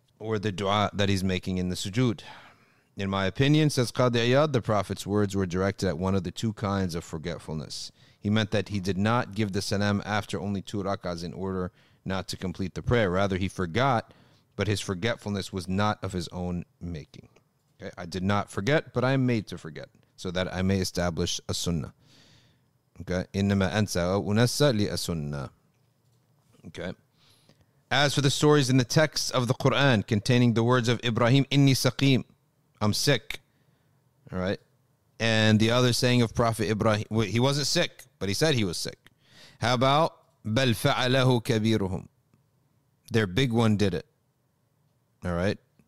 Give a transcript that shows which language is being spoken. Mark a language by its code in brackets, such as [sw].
[en] Or the dua that he's making in the sujood. In my opinion, says Qadi Iyad, the Prophet's words were directed at one of the two kinds of forgetfulness. He meant that he did not give the salam after only two rakas in order not to complete the prayer. Rather, he forgot, but his forgetfulness was not of his own making. Okay? I did not forget, but I am made to forget, so that I may establish a sunnah. Okay? [ar] إِنَّمَا أَنْسَى وَأُنَسَى لِأَسُنَّةِ Okay? [en] As for the stories in the text of the Qur'an containing the words of Ibrahim, [ar] إِنِّي سَقِيم [en] I'm sick. All right? And the other saying of Prophet Ibrahim, well, he wasn't sick, but he said he was sick. How about [ar] بَلْ فَعَلَهُ كَبِيرُهُمْ [en] Their big one did it. All right?